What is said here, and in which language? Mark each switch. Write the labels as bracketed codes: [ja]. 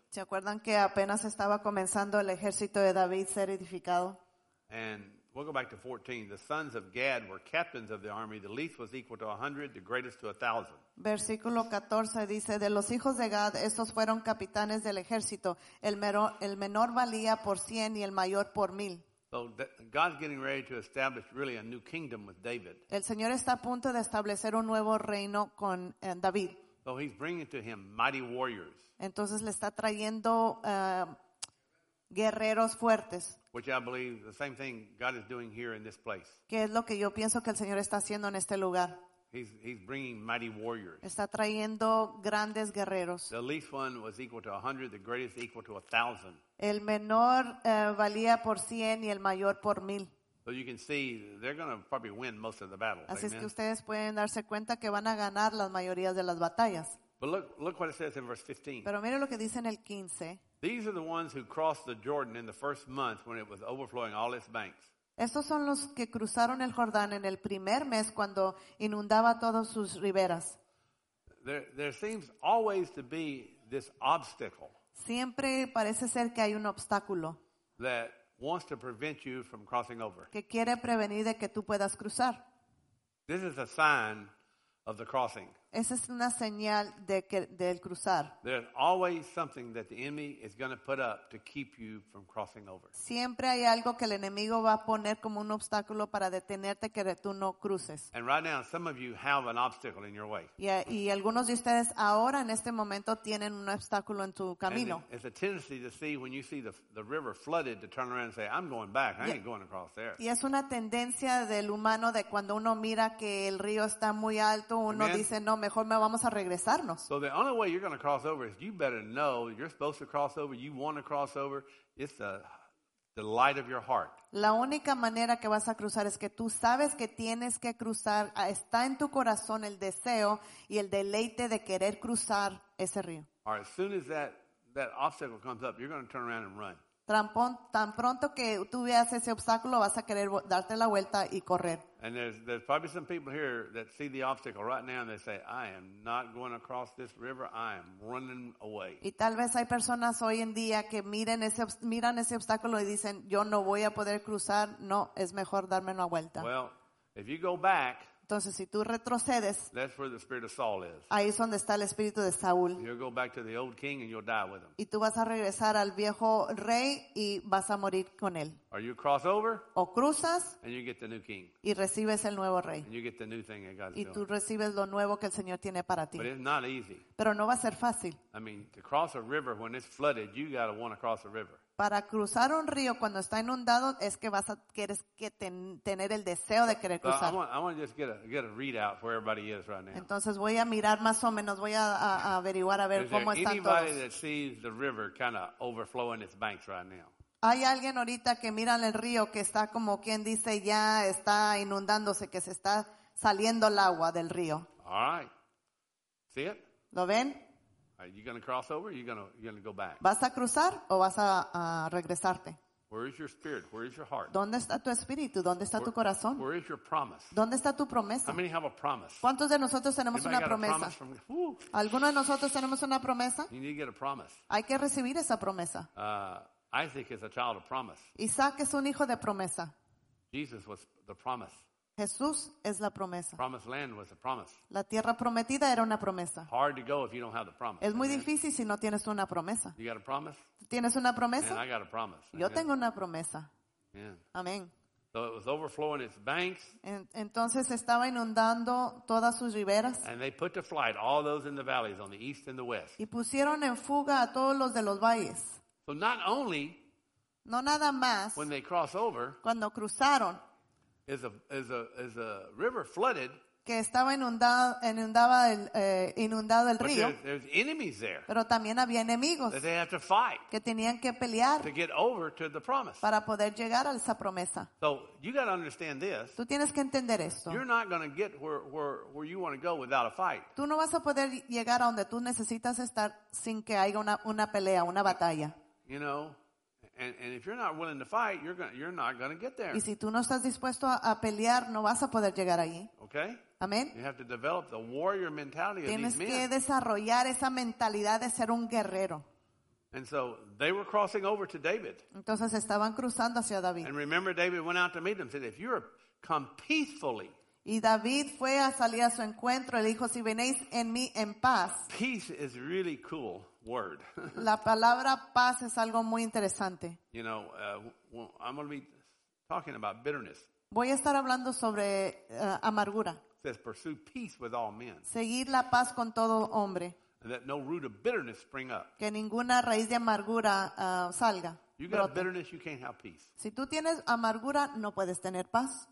[es] ¿Se acuerdan que apenas estaba comenzando el ejército de David ser edificado? [en] And we'll go back to 14. The sons of Gad were captains of the army. The least was equal to 100, the greatest to 1,000. [es] Versículo 14 dice, de los hijos de Gad, estos fueron capitanes del ejército. El menor valía por 100 y el mayor por 1,000. [en] So God's getting ready to establish really a new kingdom with David. [es] El Señor está a punto de establecer un nuevo reino con David. [en] So he's bringing to him mighty warriors. [es] Entonces le está trayendo guerreros fuertes. [en] Which I believe the same thing God is doing here in this place. [es] ¿Qué es lo que yo pienso que el Señor está haciendo en este lugar? [en] He's bringing mighty warriors. [es] Está trayendo grandes guerreros. [en] The least one was equal to 100, the greatest equal to 1,000. [es] El menor valía por 100 y el mayor por 1,000. [en] So you can see they're going to probably win most of the battles. [es] Así amen. Es que ustedes pueden darse cuenta que van a ganar las mayorías de las batallas. [en] But look what it says in verse 15. [es] Pero mire lo que dice en el 15. [en] These are the ones who crossed the Jordan in the first month when it was overflowing all its banks. [es] Estos son los que cruzaron el Jordán en el primer mes cuando inundaba todas sus riberas. [en] There seems always to be this obstacle. [es] Siempre parece ser que hay un obstáculo. [en] That wants to prevent you from crossing over. [es] Que quiere prevenir de que tú puedas cruzar. [en] This is a sign of the crossing. [es] Esa es una señal del cruzar. [en] There's always something that the enemy is going to put up to keep you from crossing over. [es] Siempre hay algo que el enemigo va a poner como un obstáculo para detenerte que tú no cruces. [en] And right now, some of you have an obstacle in your way. [es] Y algunos de ustedes ahora en este momento tienen un obstáculo en tu camino. [en] And it's a tendency to see when you see the river flooded to turn around and say, "I'm going back. I ain't going across there." [es] Y es una tendencia del humano de cuando uno mira que el río está muy alto, uno dice, "No, mejor me vamos a regresarnos." [en] So the only way you're going to cross over is you better know you're supposed to cross over, you want to cross over. It's the delight of your heart. [es] La única manera que vas a cruzar es que tú sabes que tienes que cruzar. Está en tu corazón el deseo y el deleite de querer cruzar ese río. [en] Or as soon as that that obstacle comes up, you're going to turn around and run. [es] Tan pronto que tú veas ese obstáculo, vas a querer darte la vuelta y correr. [en] And there's probably some people here that see the obstacle right now and they say, I am not going across this river, I am running away. [es] Y tal vez hay personas hoy en día que miran ese obstáculo y dicen, yo no voy a poder cruzar, no, es mejor darme una vuelta. [en] Well, if you go back, [es] entonces, si tú retrocedes, [en] that's where the spirit of Saul is. [es] Ahí es donde está el espíritu de Saúl. [en] You'll go back to the old king and you'll die with him. [es] Y tú vas a regresar al viejo rey y vas a morir con él. [en] Or you cross over, [es] o cruzas, [en] and you get the new king. [es] Y recibes el nuevo rey. [en] And you get the new thing that God's [es] y tú [en] doing. [es] Recibes lo nuevo que el Señor tiene para ti. [en] But it's not easy. [es] Pero no va a ser fácil. [en] I mean, to cross a river when it's flooded, you got to want to cross a river. [es] Para cruzar un río cuando está inundado es que vas a quieres que tener el deseo de querer cruzar. [en] I want to just get a readout for everybody is right now. [es] Entonces voy a mirar más o menos, voy a averiguar a ver [en] is [es] cómo están todos. [en] Is there anybody that sees the river kind of overflowing its banks right now? [es] ¿Hay alguien ahorita que mira el río que está como quien dice ya está inundándose, que se está saliendo el agua del río? [en] All right. See it? [es] ¿Lo ven? [en] Are you going to cross over or you're going to go back? [es] ¿Vas a cruzar o vas a regresarte? [en] Where is your spirit? Where is your heart? [es] ¿Dónde está tu espíritu? ¿Dónde está tu corazón? [en] Where is your promise? [es] ¿Dónde está tu promesa? [en] How many have a promise? [es] ¿Cuántos de nosotros tenemos [en] anybody [es] una promesa? ¿Alguno de nosotros tenemos una promesa? [en] You need to get a promise. [es] Hay que recibir esa promesa. [en] Isaac is a child of promise. [es] Isaac es un hijo de promesa. [en] Jesus was the promise. [es] Jesús es la promesa. [en] Promised land was a promise. [es] La tierra prometida era una promesa. [en] Hard to go if you don't have the promise. [es] Es muy difícil si no tienes una promesa. [en] You got a promise? [es] ¿Tienes una promesa? [en] And I got a promise. [es] Yo tengo una promesa. Yeah. Amén. [en] So it was overflowing its banks. [es] Entonces estaba inundando todas sus riberas. [en] And they put to flight all those in the valleys on the east and the west. [es] Y pusieron en fuga a todos los de los valles. [en] So not only, [es] no nada más, [en] when they cross over, [es] cuando cruzaron, [en] is a river flooded, [es] que estaba inundado el río, [en] but there's enemies there, [es] pero también había enemigos [en] that they have to fight, [es] que tenían que pelear [en] to get over to the promise, [es] para poder llegar a esa promesa. [en] So you got to understand this. [es] Tú tienes que entender esto. [en] You're not going to get where you want to go without a fight. [es] Tú no vas a poder llegar a donde tú necesitas estar sin que haya una pelea, una batalla. [en] You know, And if you're not willing to fight, you're not going to get there. [es] Y si tú no estás dispuesto a pelear, no vas a poder llegar allí. Okay. Amen. [en] You have to develop the warrior mentality [es] tienes [en] of these men. [es] Tienes que desarrollar esa mentalidad de ser un guerrero. [en] And so they were crossing over to David. [es] Entonces estaban cruzando hacia David. [en] And remember, David went out to meet them. Said, "If you come peacefully." [es] Y David fue a salir a su encuentro. Él dijo, "Si venéis en mí en paz." [en] Peace is really cool. Word. [es] La palabra paz es algo muy interesante. [en] You know, I'm going to be talking about bitterness. [es] Voy a estar hablando sobre amargura. [en] It says pursue peace with all men. [es] Seguir la paz con todo hombre. [en] And that no root of bitterness spring up. [es] Que ninguna raíz de amargura salga. [en] You got brote. Bitterness, you can't have peace. [es] Si tú tienes amargura, no puedes tener paz.